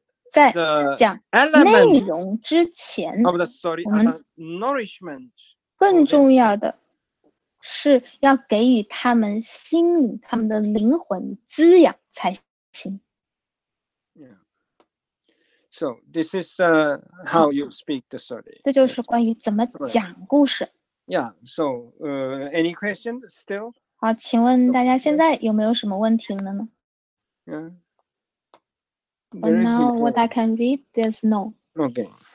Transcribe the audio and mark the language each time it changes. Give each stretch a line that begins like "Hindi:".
Chinese: 在讲内容之前，我们 更重要的是要给予他们心灵、他们的灵魂滋养才行。
English: Yeah. So this is how you speak the story.
Chinese: 这就是关于怎么讲故事。
English: Yeah. So, any questions still?
Chinese: 好，请问大家现在有没有什么问题了呢？嗯。
English: Well, now what I can read, there's no. Okay.